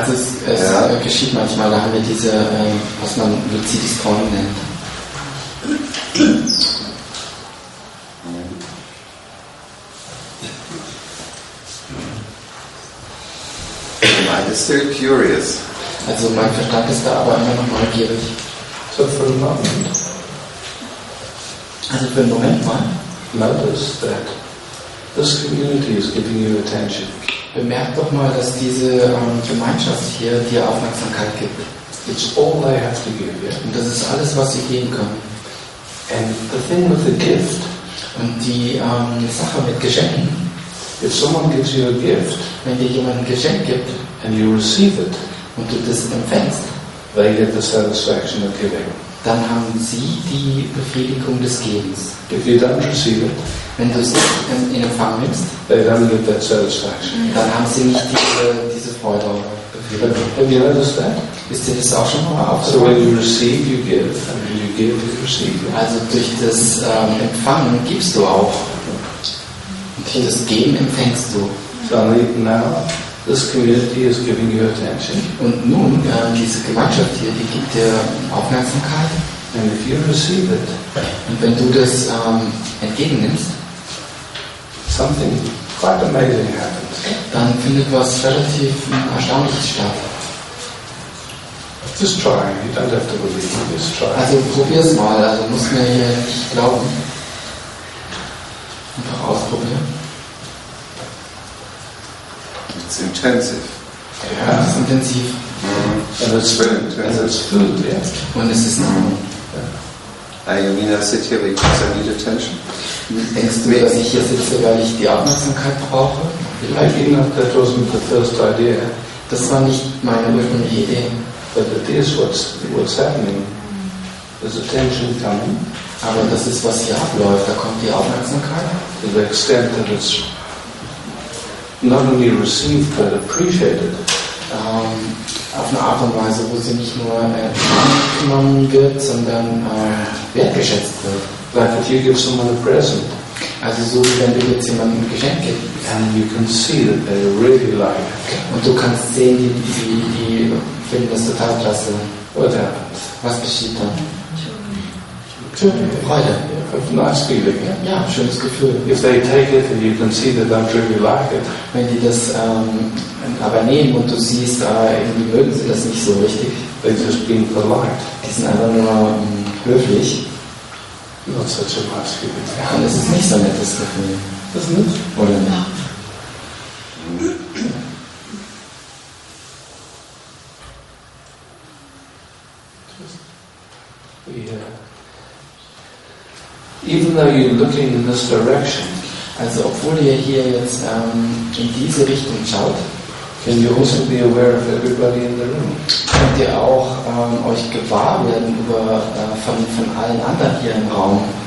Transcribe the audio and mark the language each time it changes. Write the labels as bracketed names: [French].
[German] Also geschieht manchmal, da haben wir diese, was man lucides Träumen nennt. [English] Still curious. [German] Also mein Verstand ist da aber immer noch neugierig. [English] So for a moment. [German] Also für einen Moment mal. [English] Notice that this community is giving you attention. [German] Bemerkt doch mal, dass diese Gemeinschaft hier dir Aufmerksamkeit gibt. [English] It's all I have to give, yeah. [German] Und das ist alles, was ich geben kann. [English] And the thing with the gift. [German] Und die Sache mit Geschenken. [English] If someone gives you a gift, [German] wenn dir jemand ein Geschenk gibt, [English] and you receive it, [German] und du das empfängst, [English] they get the satisfaction of giving. [German] Dann haben sie die Befriedigung des Gebens. [English] If you don't receive it, [German] wenn du es in Empfang nimmst, [English] they don't get that satisfaction. [German] Dann haben sie nicht diese Freude oder [English] Befriedigung. Have you noticed that? [German] Ist dir das auch schon mal aufgefallen? [English] So when you receive, you give, and when you give, you receive. [German] Also durch das Empfangen gibst du auch. Und durch das Geben empfängst du. [English] So now, this community is giving you attention. [German] Und nun, diese Gemeinschaft hier, die gibt dir Aufmerksamkeit. [English] And if you receive it, [German] und wenn du das entgegennimmst, [English] something quite amazing happens. [German] Dann findet was relativ Erstaunliches statt. [English] Just try, you don't have to believe it, just try. [German] Also probier's mal, also musst mir hier nicht glauben. Einfach ausprobieren. [English] It's intensive. [German] Ja, es ist intensiv. [English] Mm-hmm. And it's very intensive. And it's food, yeah. [German] Und es ist [English] I mean, I sit here because I need attention. [German] Denkst du, dass ich hier sitze, weil ich die Aufmerksamkeit brauche? [English] Vielleicht I think that wasn't the first idea. [German] Das war nicht meine ursprüngliche Idee. [English] But it is what's happening. There's attention coming. [German] Aber das ist, was hier abläuft. Da kommt die Aufmerksamkeit. [English] To the extent that it's not only received, but appreciated. [German] Auf eine Art und Weise, wo sie nicht nur angenommen wird, sondern wertgeschätzt wird. [English] Like if you give someone a present. [German] Also so, wie wenn du jetzt jemandem ein Geschenk gibst. [English] And you can see that they really like it. [German] Und du kannst sehen, die finden das total klasse. [English] What happens? [German] Was geschieht dann? [English] Freude. Nice feeling, yeah? [German] Ja, schönes Gefühl. Wenn die das aber nehmen und du siehst, irgendwie mögen sie das nicht so richtig. [English] They're just being polite. [German] Die sind einfach nur höflich. [English] Not such a nice feeling. [German] Ja, und es ist nicht so ein nettes Gefühl. Das ist nicht? Oder nicht? [English] Even though you're looking in this direction, [German] Also obwohl ihr hier jetzt in diese Richtung schaut, [English] can you also be aware of everybody in the room? [German] Könnt ihr auch euch gewahr werden über von allen anderen hier im Raum?